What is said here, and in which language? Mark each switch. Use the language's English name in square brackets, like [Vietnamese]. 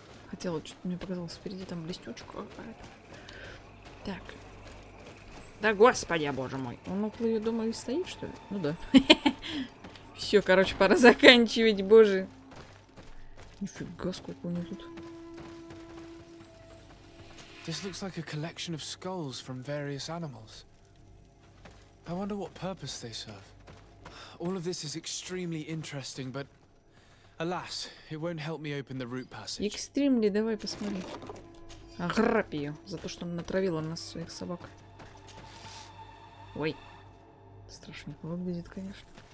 [Russian] Хотела, что-то мне показалось, впереди там листючка. Так. Да господи, боже мой. Он около ее дома и стоит, что ли? Ну да. Все, короче, пора заканчивать, боже. Нифига, сколько у нее тут. [English] This looks like a collection of skulls from various animals. I wonder what purpose they serve. All of this is extremely interesting, but alas, it won't help me open the root passage. Extremely, [Russian] давай посмотри. Ограб ее за то, что она натравила нас своих собак. Ой, страшненько выглядит, конечно.